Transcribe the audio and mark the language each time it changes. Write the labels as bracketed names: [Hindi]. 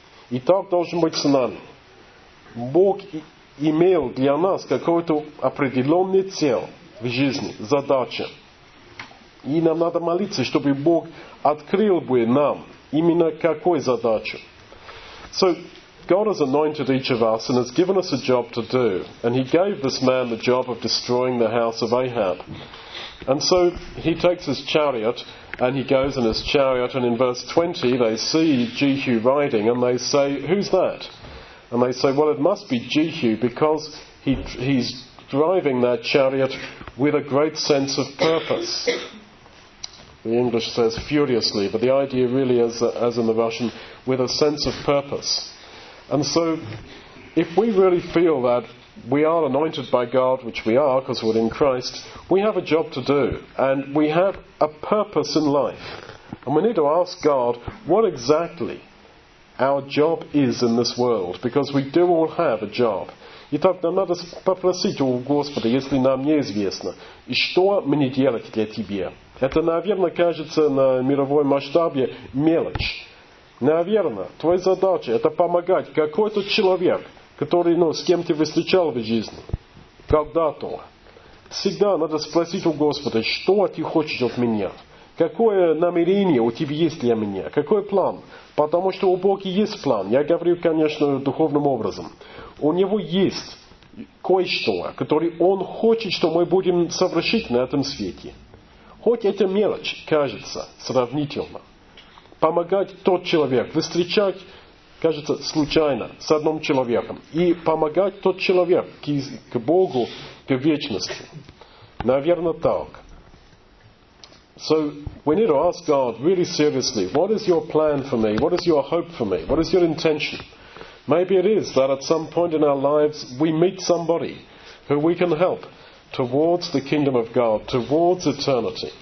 [Russian] И так должен быть с нами. Бог имел для нас какой-то определенный цель в жизни, задача. И нам надо молиться, чтобы Бог открыл бы нам именно какую задачу. [English] So, God has anointed each of us and has given us a job to do. And he gave this man the job of destroying the house of Ahab. And so, he takes his chariot. And he goes in his chariot, and in verse 20, they see Jehu riding, and they say, who's that? And they say, well, it must be Jehu, because he's driving that chariot with a great sense of purpose. The English says furiously, but the idea really is, as in the Russian, with a sense of purpose. And so, if we really feel that we are anointed by God, which we are, because we're in Christ, we have a job to do, and we have a purpose in life. And we need to ask God what exactly our job is in this world, because we do all have a job. [Russian] Итак, нам надо попросить у Господа, если нам неизвестно, что мне делать для Тебя. Это, наверное, кажется на мировой масштабе мелочь. Наверное, твоя задача – это помогать какой-то человек, который, с кем ты встречал в жизни, когда-то. Всегда надо спросить у Господа, что ты хочешь от меня? Какое намерение у тебя есть для меня? Какой план? Потому что у Бога есть план. Я говорю, конечно, духовным образом. У Него есть кое-что, которое Он хочет, что мы будем совершить на этом свете. Хоть эта мелочь кажется сравнительно. Помогать тот человек, встречать, кажется, случайно, с одним человеком. И помогать тот человек к Богу, к вечности. Наверное, так. [English] So, we need to ask God really seriously, what is your plan for me? What is your hope for me? What is your intention? Maybe it is that at some point in our lives, we meet somebody who we can help towards the kingdom of God, towards eternity.